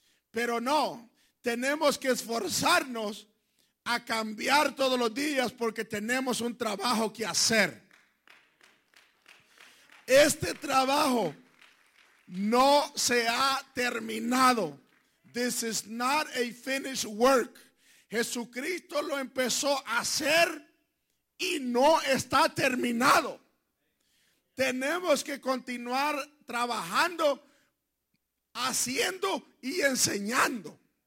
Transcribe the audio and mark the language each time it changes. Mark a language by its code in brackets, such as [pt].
[es] Pero no, tenemos que esforzarnos a cambiar todos los días porque tenemos un trabajo que hacer. Este trabajo no se ha terminado. [en] This is not a finished work. [es] Jesucristo lo empezó a hacer y no está terminado. Tenemos que continuar trabajando, haciendo y enseñando.